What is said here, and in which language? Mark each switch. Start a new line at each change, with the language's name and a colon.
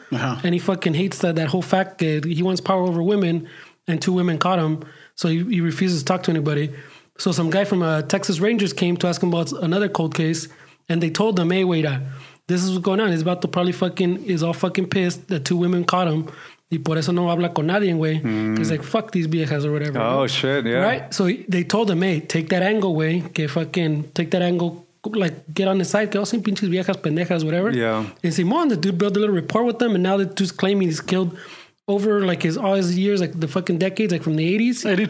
English: Uh-huh. And he fucking hates that whole fact that he wants power over women, and two women caught him. So he refuses to talk to anybody. So some guy from Texas Rangers came to ask him about another cold case. And they told him, hey, wait, this is what's going on. He's about to probably fucking, is all fucking pissed that two women caught him.
Spanish: Y por eso no habla con nadie, güey.
English: He's like, fuck these viejas or whatever. Oh, bro. Shit, yeah. Right? So they told him, hey, take that angle, güey. Que fucking, take that angle. Like, get on the side.
Spanish: Que hacen pinches viejas, pendejas,
English: whatever. Yeah. And Simon, the dude built a little rapport with them. And now the dude's claiming he's killed over, like, his all his years, like, the fucking decades, like, from the 80s.